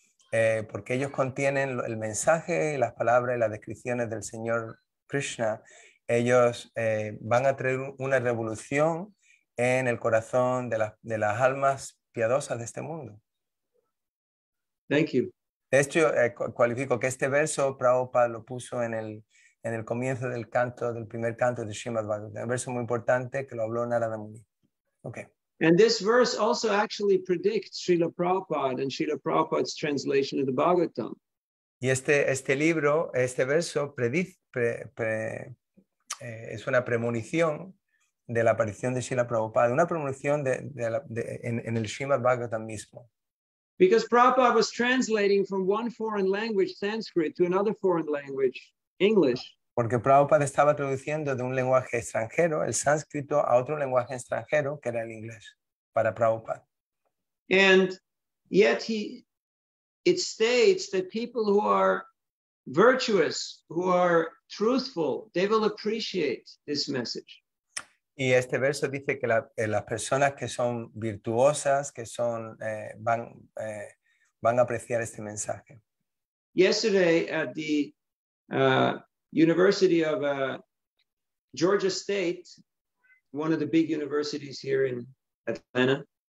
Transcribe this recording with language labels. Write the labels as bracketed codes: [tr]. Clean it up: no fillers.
[es] Porque ellos contienen el mensaje, las palabras y las descripciones del Señor Krishna, ellos van a traer una revolución en el corazón de las almas piadosas de este mundo. [en] Thank you. [es] De hecho, cualifico que este verso Prabhupada lo puso en el en el comienzo del canto, del primer canto de Srimad Bhagavatam. Un verso muy importante que lo habló Narada Muni. [en] Okay. And this verse also actually predicts Srila Prabhupada and Srila Prabhupada's translation of the Bhagavatam. [es] Y este libro, este verso, es una premonición de la aparición de Srila Prabhupada, una premonición en el Srimad Bhagavatam mismo. [en] Because Prabhupada was translating from one foreign language, Sanskrit, to another foreign language, English. [es] Porque Prabhupada estaba traduciendo de un lenguaje extranjero, el sánscrito, a otro lenguaje extranjero, que era el inglés, para Prabhupada. [en] And yet it states that people who are virtuous, who are truthful, they will appreciate this message. [es] Y este verso dice que las personas que son virtuosas, que son van a apreciar este mensaje. [en] Yesterday at the University of Georgia State, one of the big universities here in Atlanta.